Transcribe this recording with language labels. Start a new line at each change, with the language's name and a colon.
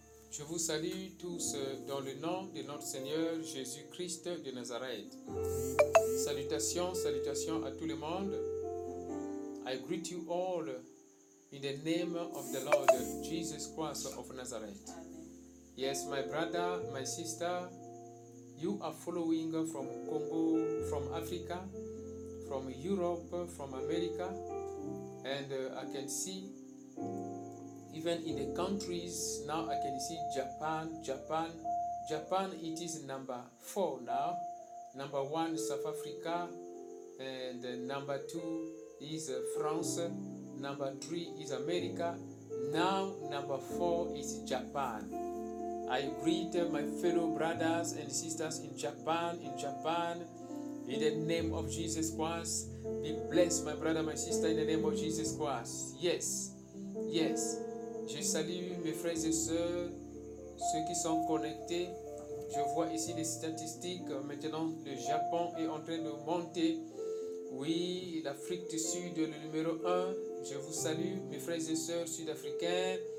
French: Je vous salue tous dans le nom de notre Seigneur Jésus-Christ de Nazareth. Salutations, salutations à tout le monde.
English: I greet you all in the name of the Lord Jesus Christ of Nazareth. Yes, my brother, my sister, you are following from Congo, from Africa, from Europe, from America. And I can see, even in the countries, now I can see Japan, it is number 4 now. Number 1, South Africa, and number 2 is France, number 3 is America, now number 4 is Japan. I greet my fellow brothers and sisters in Japan, in the name of Jesus Christ. Be blessed, my brother, my sister, in the name of Jesus Christ. Yes, yes.
French: Je salue mes frères et sœurs, ceux qui sont connectés. Je vois ici des statistiques. Maintenant, le Japon est en train de monter. Oui, l'Afrique du Sud est le numéro 1. Je vous salue, mes frères et sœurs sud-africains.